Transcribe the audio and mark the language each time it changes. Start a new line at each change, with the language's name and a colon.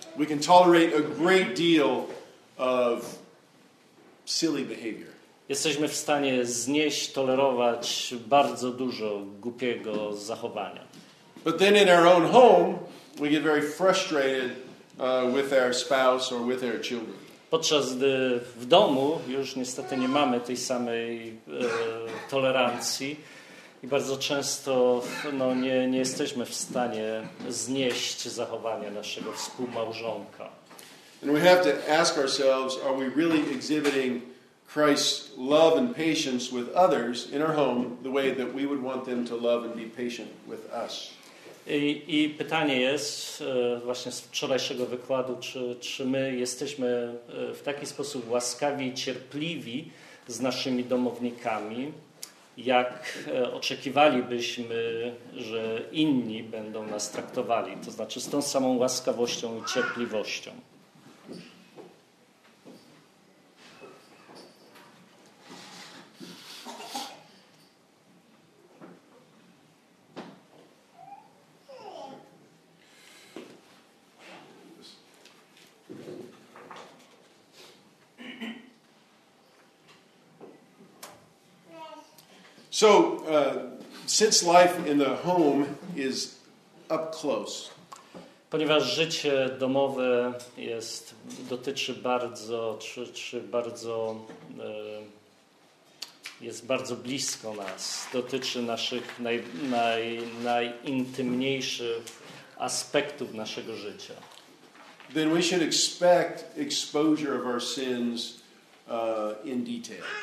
English: We can tolerate a great deal of silly behavior.
Polish: Jesteśmy w stanie znieść, tolerować bardzo dużo głupiego zachowania.
English: But then in our own home, we get very frustrated with our spouse or with our children.
Polish: Podczas gdy w domu już niestety nie mamy tej samej tolerancji i bardzo często nie jesteśmy w stanie znieść zachowania naszego współmałżonka.
English: And we have to ask ourselves, are we really exhibiting Christ's love and patience with others in our home the way that we would want them to love and be patient with us?
Polish: I pytanie jest właśnie z wczorajszego wykładu, czy my jesteśmy w taki sposób łaskawi i cierpliwi z naszymi domownikami, jak oczekiwalibyśmy, że inni będą nas traktowali, to znaczy z tą samą łaskawością i cierpliwością.
English: So, since life in the home is up close,
Polish: ponieważ życie domowe jest dotyczy bardzo, czy bardzo jest bardzo blisko nas, dotyczy naszych najintymniejszych aspektów naszego życia.
English: Then we should expect exposure of our sins in detail.